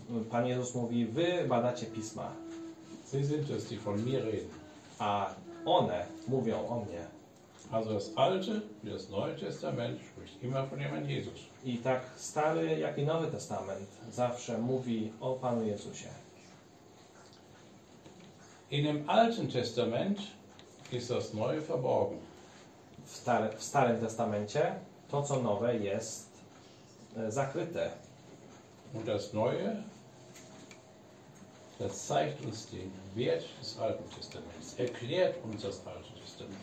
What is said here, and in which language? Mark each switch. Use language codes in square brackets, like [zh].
[pl] Pan Jezus mówi, wy badacie Pisma. [de] Sie sind es, die von mir reden. [pl] A one mówią o mnie. [de] Also das Alte, das Neue Testament spricht immer von dem Herrn Jesus. [pl] I tak Stary, jak i Nowy Testament zawsze mówi o Panu Jezusie. [de] In dem Alten Testament ist das Neue verborgen. [pl] W Starym Testamencie to, co nowe, jest zakryte. [de] Und das Neue, das zeigt uns den Wert des Alten Testaments, erklärt uns das Alte Testament.